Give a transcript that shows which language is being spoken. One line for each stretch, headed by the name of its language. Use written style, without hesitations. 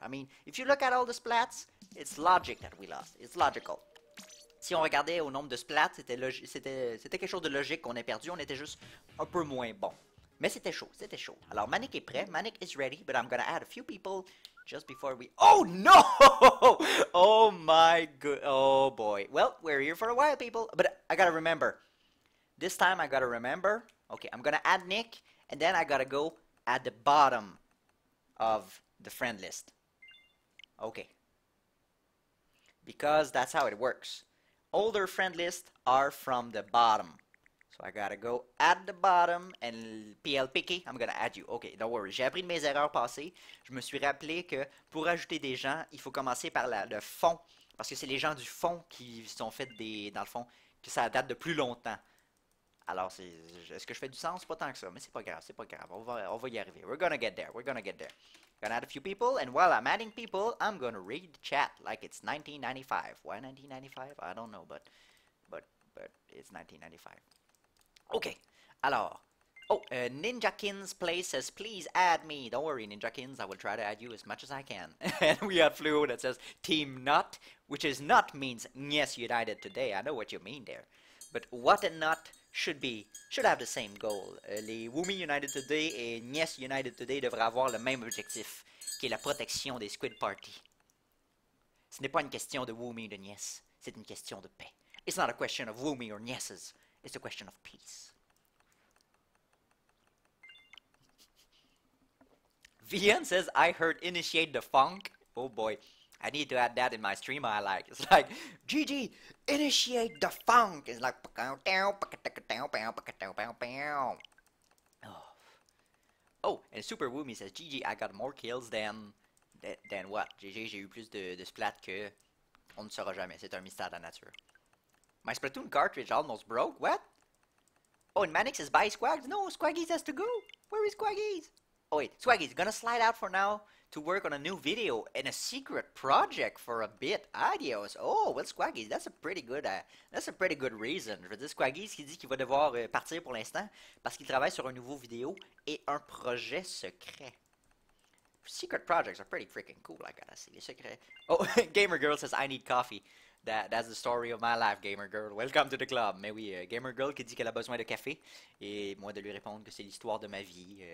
English: I mean, if you look at all the splats, it's logic that we lost. It's logical.
French: Si on regardait au nombre de splats, c'était quelque chose de logique qu'on ait perdu. On était juste un peu moins bon. Mais c'était chaud, c'était chaud. Alors, Manic est prêt.
English: Manic is ready, but I'm gonna add a few people just before we... Oh, no! Oh, my good... Oh, boy. Well, we're here for a while, people. But I gotta remember. This time, I gotta remember. Okay, I'm gonna add Nick, and then I gotta go at the bottom of the friend list. Okay. Because that's how it works. Older friend lists are from the bottom. So I gotta go at the bottom and PLPK, I'm gonna add you. Okay, don't worry,
French: j'ai appris de mes erreurs passées. Je me suis rappelé que pour ajouter des gens, il faut commencer par le fond. Parce que c'est les gens du fond qui sont faits dans le fond, que ça date de plus longtemps. Alors, est-ce que je fais du sens? Pas tant que ça, mais c'est pas grave. On va y arriver.
English: We're gonna get there. Gonna add a few people, and while I'm adding people, I'm gonna read the chat like it's 1995. Why 1995? I don't know, but it's 1995. Okay, alors, Ninjakins Play says, please add me. Don't worry, Ninjakins, I will try to add you as much as I can. And we have Fluo that says, Team Nut, which is Nut means, yes, United today. I know what you mean there. But what a Nut should have the same goal.
French: Les Wumi United today et Yes United today devraient avoir le même objectif, qui est la protection des Squid Party. Ce n'est pas une question de Wumi ou de Yes, c'est une question de paix.
English: It's not a question of Wumi or Yeses. It's a question of peace. VN says, I heard initiate the funk. Oh boy, I need to add that in my stream. I like it's like, GG, initiate the funk. It's like, oh, and Super Woomy says, GG, I got more kills than what?
French: GG, j'ai eu plus de splat que. On ne saura jamais, c'est un mystère de la nature.
English: My Splatoon cartridge almost broke. What? Oh, and Manix is by Squaggs. No, Squaggies has to go. Where is Squaggies? Oh, wait. Squaggies gonna slide out for now to work on a new video and a secret project for a bit. Adios. Oh, well, Squaggies, that's a pretty good reason.
French: Je veux dire, Squaggies qui dit qu'il va devoir partir pour l'instant parce qu'il travaille sur un nouveau vidéo et un projet secret.
English: Secret projects are pretty freaking cool, I gotta say.
French: Les secrets.
English: Oh, Gamer Girl says, I need coffee. That's the story of my life, Gamer Girl. Welcome to the club.
French: Mais oui, Gamer Girl qui dit qu'elle a besoin de café. Et moi de lui répondre que c'est l'histoire de ma vie.